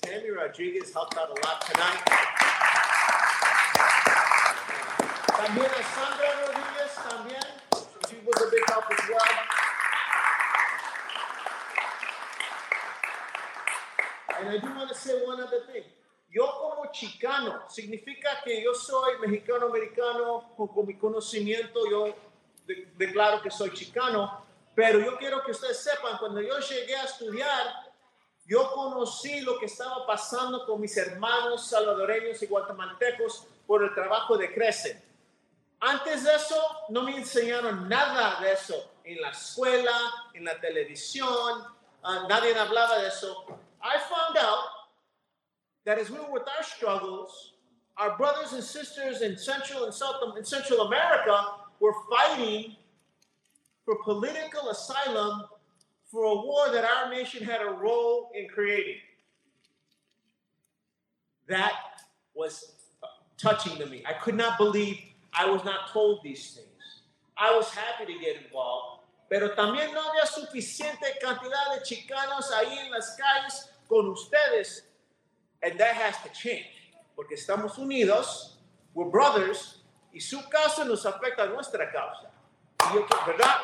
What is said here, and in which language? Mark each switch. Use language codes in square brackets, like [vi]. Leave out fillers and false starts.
[en] Tammy Rodriguez helped out a lot tonight. [es] También a Sandra Rodriguez, también. [en] Was a big help as well. And I do want to say one other thing. [es] Yo como Chicano significa que yo soy mexicano-americano con mi conocimiento. Yo declaro que soy Chicano. Pero yo quiero que ustedes sepan, cuando yo llegué a estudiar, yo conocí lo que estaba pasando con mis hermanos salvadoreños y guatemaltecos por el trabajo de Crescent. Antes de eso, no me enseñaron nada de eso en la escuela, en la televisión, nadie hablaba de eso. [en] I found out that as we were with our struggles, our brothers and sisters in Central and South in Central America were fighting for political asylum for a war that our nation had a role in creating. That was touching to me. I could not believe I was not told these things. I was happy to get involved. [es] Pero también no había suficiente cantidad de Chicanos ahí en las calles con ustedes. [en] And that has to change. [es] Porque estamos unidos, [en] we're brothers, [es] y su caso nos afecta a nuestra causa. Y yo, ¿verdad?